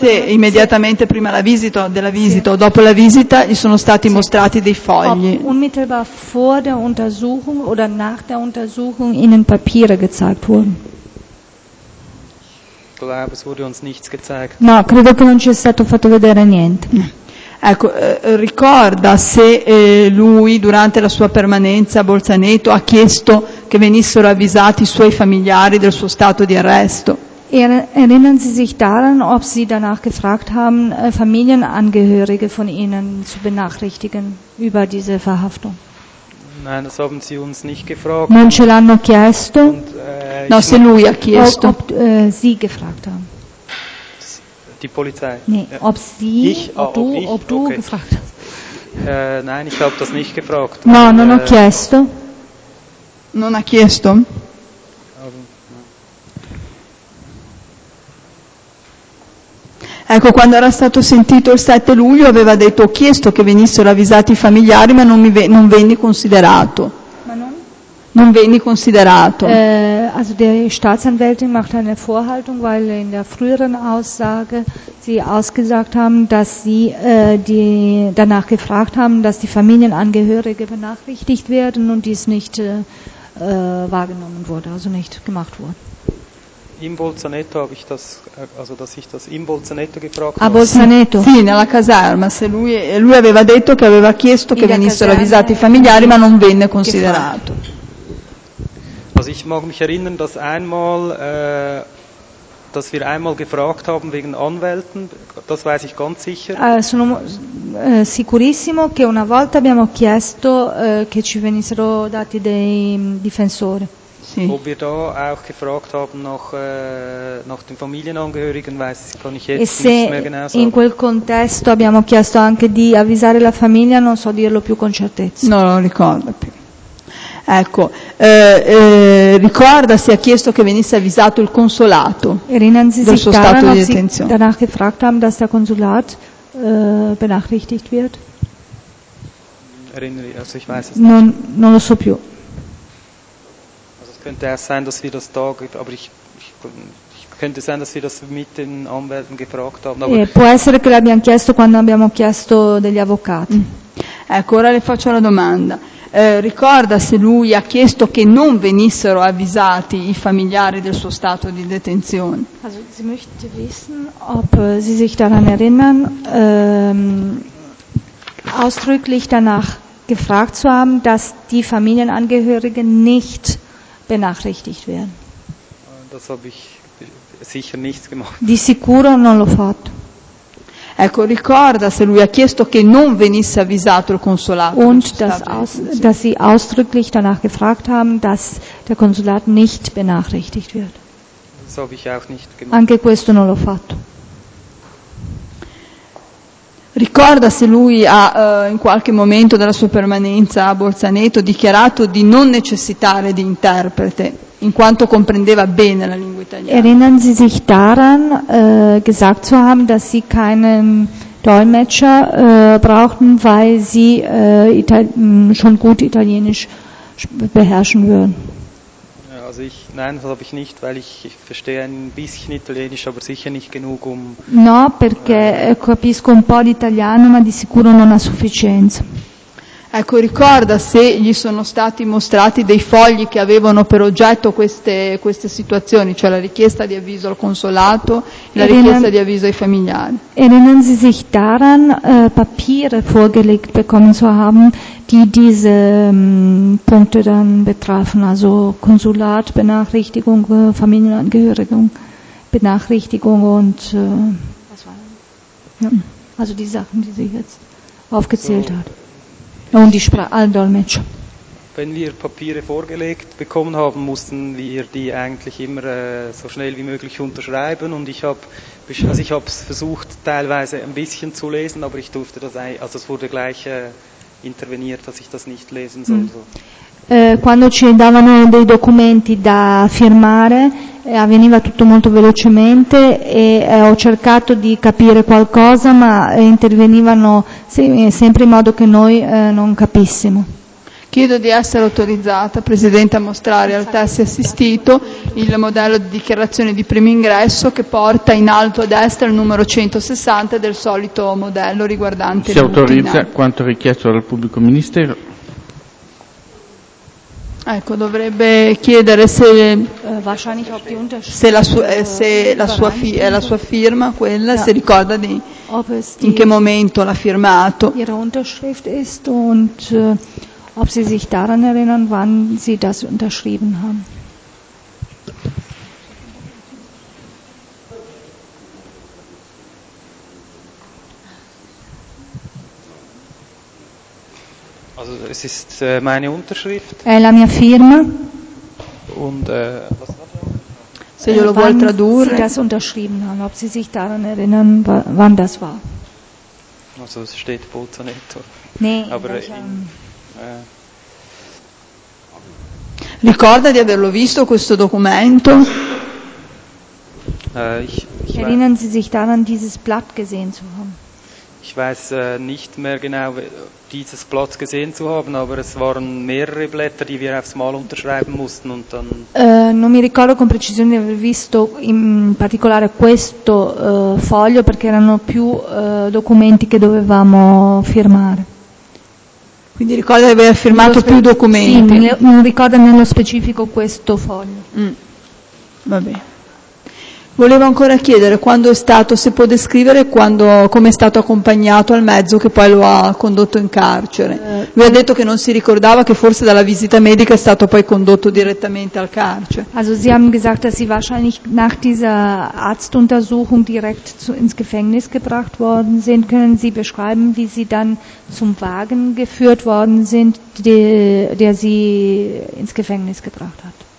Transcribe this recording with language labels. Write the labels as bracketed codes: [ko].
[it] immediatamente prima della visita o dopo la visita gli sono stati mostrati dei fogli. [de] Unmittelbar vor der Untersuchung oder nach der Untersuchung ihnen Papiere gezeigt wurden? Ich glaube, es wurde uns nichts gezeigt. [it] No, credo che non ci è stato fatto vedere niente. Ecco, ricorda se lui durante la sua permanenza a Bolzaneto ha chiesto che venissero avvisati i suoi familiari del suo stato di arresto. [de] Erinnern Sie sich daran, ob Sie danach gefragt haben, Familienangehörige von Ihnen zu benachrichtigen über diese Verhaftung? Nein, das haben Sie uns nicht gefragt. [it] Non ce l'hanno chiesto. Se lui ha chiesto. [de] Ob Sie gefragt haben. Die Polizei. Nee, ja. Ob Sie, ich, du, ob, ich? Ob du okay. gefragt hast. Nein, ich habe das nicht gefragt. [it] No, non ho chiesto. Non ha chiesto. Ecco, quando era stato sentito il 7 luglio aveva detto, ho chiesto che venissero avvisati i familiari, ma non venni considerato. Ma non? Non venni considerato. [de] Also der Staatsanwältin macht eine Vorhaltung, weil in der früheren Aussage sie ausgesagt haben, dass sie die danach gefragt haben, dass die Familienangehörige benachrichtigt werden und dies nicht wahrgenommen wurde, also nicht gemacht wurde. In Bolzaneto habe ich das, also dass ich das in Bolzaneto gefragt habe. [it] A Bolzaneto? Sì, nella caserma. Se lui aveva detto che aveva chiesto che venissero avvisati i familiari, ma non venne considerato. [de] Also ich mag mich erinnern, dass einmal, dass wir einmal gefragt haben wegen Anwälten. Das weiß ich ganz sicher. [it] Sono sicurissimo che una volta abbiamo chiesto che ci venissero dati dei difensori. Sì. [de] Ob wir da auch gefragt haben nach den Familienangehörigen, weiß ich, kann ich jetzt nicht mehr genau sagen. [it] In quel contesto abbiamo chiesto anche di avvisare la famiglia, non so dirlo più con certezza. No, non ricordo più. Ecco, ricorda se ha chiesto che venisse avvisato il consolato del suo stato di detenzione. [de] Danach gefragt haben, dass der Konsulat benachrichtigt wird. Erinnere, also ich weiß es nicht. [it] Non lo so più. [de] Könnte auch sein, dass wir das da, aber ich könnte sein, dass wir das mit den Anwälten gefragt haben. Aber [it] può essere che l'abbiamo chiesto quando abbiamo chiesto degli avvocati. Ecco, ora le faccio la domanda. Ricorda se lui ha chiesto che non venissero avvisati i familiari del suo stato di detenzione? [de] Also, sie möchte wissen, ob sie sich daran erinnern, ausdrücklich danach gefragt zu haben, dass die Familienangehörigen nicht benachrichtigt werden. Das habe ich sicher nichts gemacht. [it] Di sicuro non l'ho fatto. Ecco, ricorda se lui ha chiesto che non venisse avvisato il consolato. [de] Und dass sie ausdrücklich danach gefragt haben, dass der Konsulat nicht benachrichtigt wird. Das habe ich auch nicht gemacht. [it] Anche questo non l'ho fatto. Ricorda se lui ha in qualche momento della sua permanenza a Bolzaneto dichiarato di non necessitare di interprete, in quanto comprendeva bene la lingua italiana. [de] Erinnern Sie sich daran, gesagt zu haben, dass Sie keinen Dolmetscher brauchten, weil Sie schon gut Italienisch beherrschen würden? Also ich, nein, das habe ich nicht, weil ich verstehe ein bisschen Italienisch, aber sicher nicht genug, um... No, perché capisco un po' di italiano, ma di sicuro non a sufficienza. Ecco, ricorda se gli sono stati mostrati dei fogli che avevano per oggetto queste situazioni, cioè la richiesta di avviso al consolato, la richiesta di avviso ai familiari. Erinnern Sie sich daran, Papiere vorgelegt bekommen zu haben, die diese Punkte dann betrafen, also Konsulat, Benachrichtigung, Familienangehörigung, Benachrichtigung und was war das? Also die Sachen, die sie jetzt aufgezählt hat. Und die Sprache, all Dolmetsch. Wenn wir Papiere vorgelegt bekommen haben, mussten wir die eigentlich immer so schnell wie möglich unterschreiben. Und ich habe es versucht, teilweise ein bisschen zu lesen, aber ich durfte das ein, also es wurde gleich interveniert, dass ich das nicht lesen soll. So. [it] Quando ci davano dei documenti da firmare, avveniva tutto molto velocemente e ho cercato di capire qualcosa, ma intervenivano sempre in modo che noi non capissimo. Chiedo di essere autorizzata, Presidente, a mostrare al tessi assistito il modello di dichiarazione di primo ingresso che porta in alto a destra il numero 160 del solito modello riguardante. Si autorizza quanto richiesto dal pubblico ministero? Ecco, dovrebbe chiedere se la sua firma quella, ja. Se ricorda di in che momento l'ha firmato. [de] Ihre Unterschrift ist und ob Sie sich daran erinnern, wann Sie das unterschrieben haben. Also es ist meine Unterschrift. [it] È la mia firma. [de] Und [it] se glielo vuol tradurre. [de] Sie das unterschrieben haben, ob Sie sich daran erinnern, wann das war. Also es steht Bolzanetto. Nee, aber [it] ricorda di averlo visto questo documento? [de] Erinnern Sie sich daran, dieses Blatt gesehen zu haben? Ich weiß nicht mehr genau, dieses Blatt gesehen zu haben, aber es waren mehrere Blätter, die wir aufs Mal unterschreiben mussten und dann. [it] Non mi ricordo con precisione di aver visto in particolare questo foglio, perché erano più documenti che dovevamo firmare. Quindi ricorda di aver firmato più documenti. Sì, non ricorda nello specifico questo foglio. Va bene. Volevo ancora chiedere quando è stato, se può descrivere quando, come è stato accompagnato al mezzo che poi lo ha condotto in carcere. Lui ha detto che non si ricordava, che forse dalla visita medica è stato poi condotto direttamente al carcere. [de] Also Sie haben gesagt, dass Sie wahrscheinlich nach dieser Arztuntersuchung direkt ins Gefängnis gebracht worden sind. Können Sie beschreiben, wie Sie dann zum Wagen geführt worden sind, der Sie ins Gefängnis gebracht hat?